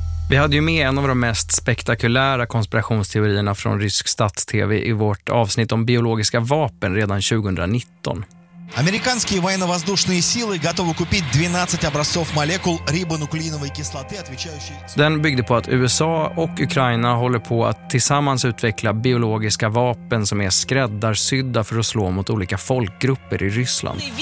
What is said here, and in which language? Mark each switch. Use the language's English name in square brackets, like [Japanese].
[Swedish] Vi hade ju med en av de mest spektakulära konspirationsteorierna från rysk stats-TV i vårt avsnitt om biologiska vapen redan 2019. [Russian] Американские военно-воздушные силы готовы купить 12 образцов молекул рибонуклеиновой кислоты, отвечающей. [Swedish] Den byggde på att USA och Ukraina håller på att tillsammans utveckla biologiska vapen som är skräddarsydda för att slå mot olika folkgrupper i Ryssland.